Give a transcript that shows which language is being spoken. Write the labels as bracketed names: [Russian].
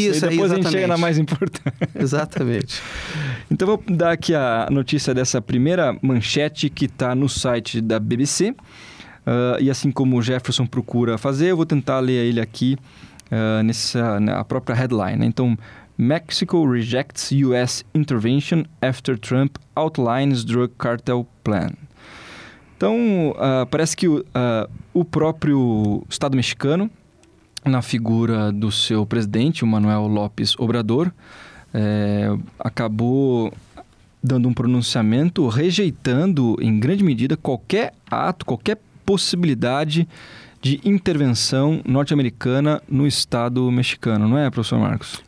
[Portuguese] Isso, e depois exatamente. A gente chega na mais importante. Exatamente. Então, vou dar aqui a notícia dessa primeira manchete que está no site da BBC. E assim como o Jefferson procura fazer, eu vou tentar ler ele aqui na própria headline. [English] Então, Mexico rejects US intervention after Trump outlines drug cartel plan. [Portuguese] Então, parece que o próprio Estado mexicano, na figura do seu presidente, o Manuel López Obrador, acabou dando um pronunciamento rejeitando em grande medida qualquer ato, qualquer possibilidade de intervenção norte-americana no Estado mexicano, não é, professor Marcos?